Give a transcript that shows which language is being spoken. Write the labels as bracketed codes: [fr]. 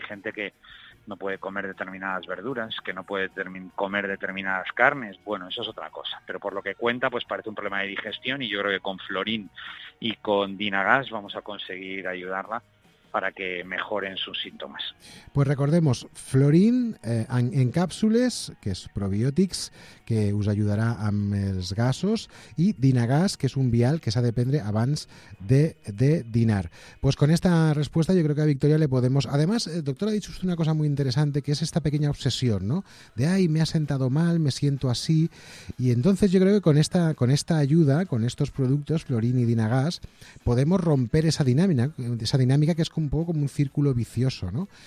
[es] Hay gente que no puede comer determinadas verduras, que no puede comer determinadas carnes. Bueno, eso es otra cosa. Pero por lo que cuenta, pues parece un problema de digestión, y yo creo que con florín y con Dinagas vamos a conseguir ayudarla para que mejoren sus síntomas. Pues recordemos, [ca] florín en cápsules, que es probiotics, que us ayudarà amb els gasos, i Dinagas, que és un vial que s'ha de prendre abans de dinar. [es] Pues con esta respuesta yo creo que a Victoria le podemos... Además, el doctor ha dicho una cosa muy interesante, que es esta pequeña obsesión, ¿no? De, ay, me ha sentado mal, me siento así. Y entonces yo creo que con esta ayuda, con estos productos, florín y Dinagas, podemos romper esa dinámica que es un poco como un círculo vicioso, ¿no?